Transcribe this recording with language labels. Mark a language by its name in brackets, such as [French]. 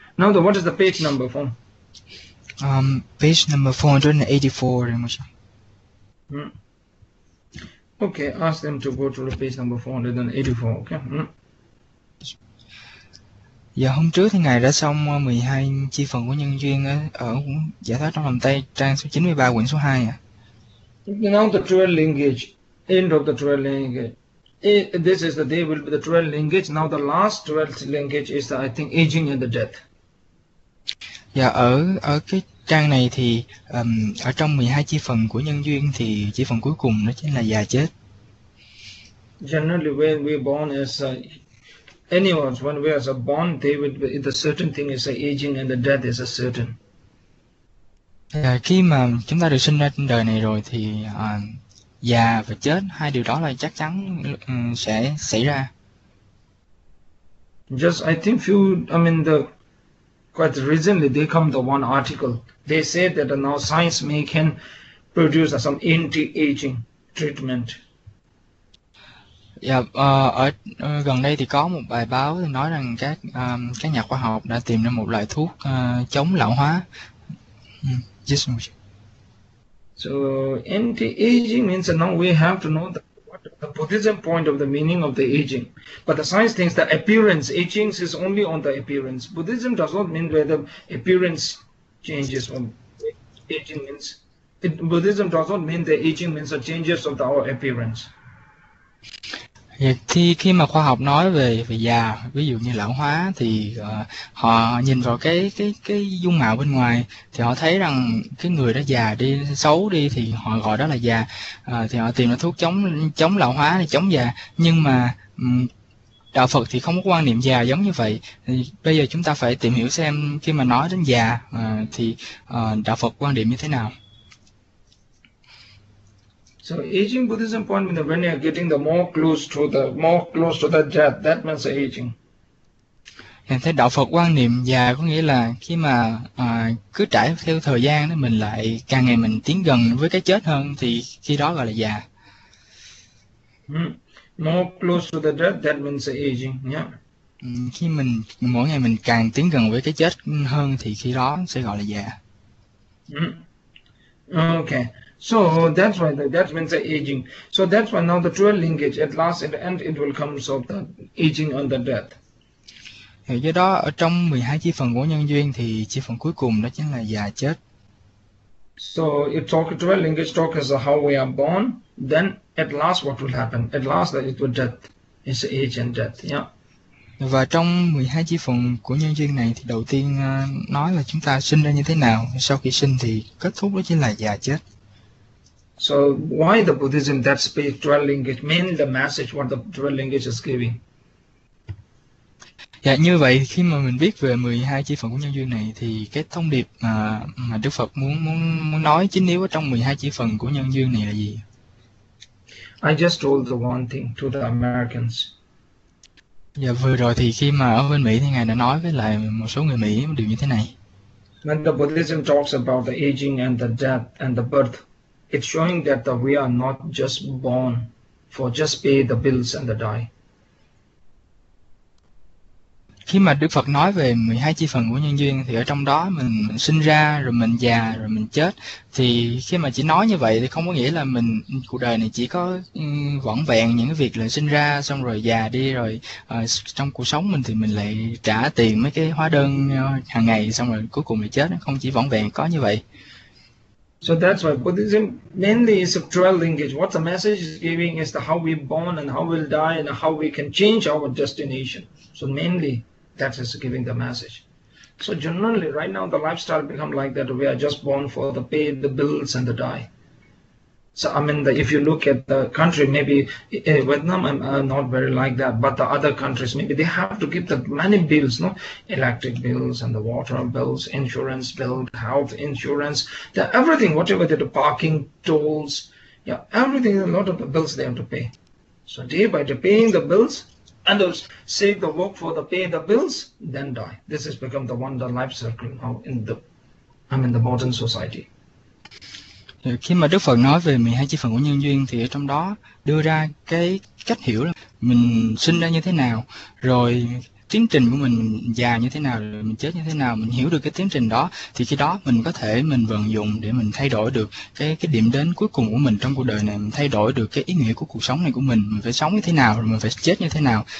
[English] Now the what is the page number for? Page number 484. Okay, ask them to go to the page number 484, okay? [Vietnamese] Dạ hôm trước thì ngài đã xong 12 chi phần của nhân duyên ở giải thoát trong lòng tây trang số 93 quyển số 2 ạ. [English] Now the 12 linkage, end of the 12 linkage. This is the day will be the 12 linkage. Now the last 12 linkage is the, I think, aging and the death. [Vietnamese] Dạ ở ở cái trang này thì ở trong 12 chi phần của nhân duyên thì chi phần cuối cùng đó chính là già chết. [English] Generally, when we are born as anyone, when we are born, they would be the certain thing is aging and the death is a certain. [Vietnamese] À, khi mà chúng ta được sinh ra trên đời này rồi thì già và chết hai điều đó là chắc chắn sẽ xảy ra. [English] I think few, I mean the quite recently they come the one article. They say that now science may can produce some anti-aging treatment. [Vietnamese] Dạ, ở gần đây thì có một bài báo thì nói rằng các nhà khoa học đã tìm ra một loại thuốc chống lão hóa. [English] Yes. So anti-aging means that now we have to know the Buddhism point of the meaning of the aging. But the science thinks the appearance, aging is only on the appearance. Buddhism does not mean whether appearance changes or aging means. Buddhism does not mean the aging means the changes of our appearance. [Vietnamese] Vậy thì khi mà khoa học nói về về già, ví dụ như lão hóa thì họ nhìn vào cái dung mạo bên ngoài thì họ thấy rằng cái người đó già đi, xấu đi thì họ gọi đó là già. Thì họ tìm ra thuốc chống chống lão hóa hay chống già. Nhưng mà đạo Phật thì không có quan niệm già giống như vậy. Thì bây giờ chúng ta phải tìm hiểu xem khi mà nói đến già thì đạo Phật quan điểm như thế nào. [English] So aging Buddhism point means when you are getting the more close to the more close to the death, that means aging. [Vietnamese] Hiện thế đạo Phật quan niệm già có nghĩa là khi mà cứ trải theo thời gian đó mình lại càng ngày mình tiến gần với cái chết hơn thì khi đó gọi là già. [English] More close to the death, that means aging. [Vietnamese] Khi mình mỗi ngày mình càng tiến gần với cái chết hơn thì khi đó sẽ gọi là già. [English] Okay. So that's why that means the aging. So that's why now the 12 linkage at last at the end it will come so the aging and the death. [Vietnamese] Thì do đó ở trong 12 chi phần của nhân duyên thì chi phần cuối cùng đó chính là già chết. [English] So it talk 12 linkage talk is how we are born, then at last what will happen? At last that it will death. It's age and death. [Vietnamese] Và trong 12 chi phần của nhân duyên này thì đầu tiên nói là chúng ta sinh ra như thế nào, sau khi sinh thì kết thúc đó chính là già chết. [English] So why the Buddhism that speaks 12 linkage, mainly the message what the 12 linkage is giving. [Vietnamese] Dạ, như vậy khi mà mình biết về 12 chi phần của nhân duyên này thì cái thông điệp mà Đức Phật muốn muốn muốn nói chính yếu ở trong 12 chi phần của nhân duyên này là gì? [English] Just told the one thing to the Americans. [Vietnamese] Dạ, vừa rồi thì khi mà ở bên Mỹ thì ngài đã nói với lại một số người Mỹ một điều như thế này. [English] When the Buddhism talks about the aging and the death and the birth, it's showing that we are not just born for just pay the bills and the die. [Vietnamese] Khi mà Đức Phật nói về 12 chi phần của nhân duyên thì ở trong đó mình sinh ra rồi mình già rồi mình chết, thì khi mà chỉ nói như vậy thì không có nghĩa là mình cuộc đời này chỉ có vỏn vẹn những cái việc là sinh ra xong rồi già đi rồi trong cuộc sống mình thì mình lại trả tiền mấy cái hóa đơn hàng ngày xong rồi cuối cùng mình chết, không chỉ vỏn vẹn có như vậy. [English] So that's why Buddhism mainly is a dual language. What the message is giving is the how we're born and how we'll die and how we can change our destination. So mainly that is giving the message. So generally, right now the lifestyle become like that. We are just born for the pay the bills and the die. So I mean, if you look at the country, maybe Vietnam not very like that, but the other countries maybe they have to give the many bills, no, electric bills and the water bills, insurance bill, health insurance, the everything, whatever the parking tolls, yeah, everything, a lot of the bills they have to pay. So day by day paying the bills and those save the work for the pay the bills, then die. This has become the one the life circle now in the, I mean the modern society. [Vietnamese] Khi mà Đức Phật nói về 12 chi phần của nhân duyên thì ở trong đó đưa ra cái cách hiểu là mình sinh ra như thế nào, rồi tiến trình của mình già như thế nào, rồi mình chết như thế nào, mình hiểu được cái tiến trình đó thì khi đó mình có thể mình vận dụng để mình thay đổi được cái điểm đến cuối cùng của mình trong cuộc đời này, mình thay đổi được cái ý nghĩa của cuộc sống này của mình phải sống như thế nào, rồi mình phải chết như thế nào.